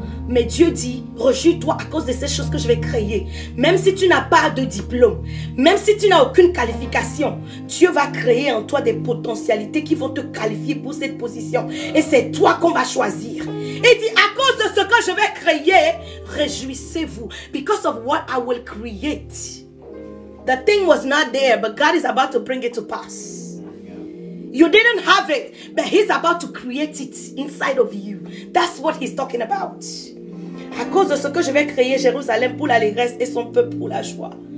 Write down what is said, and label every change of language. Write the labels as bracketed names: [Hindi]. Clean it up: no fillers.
[French] Mais Dieu dit, réjouis-toi à cause de ces choses que je vais créer. Même si tu n'as pas de diplôme, même si tu n'as aucune qualification, Dieu va créer en toi des potentialités qui vont te qualifier pour cette position. Et c'est toi qu'on va choisir. Il dit, à cause de ce que je vais créer, réjouissez-vous. [English] Because of what I will create. The thing was not there, but God is about to bring it to pass. You didn't have it, but he's about to create it inside of you. That's what he's talking about. [French] À cause de ce que je vais créer Jérusalem pour l'allégresse et son peuple pour la joie.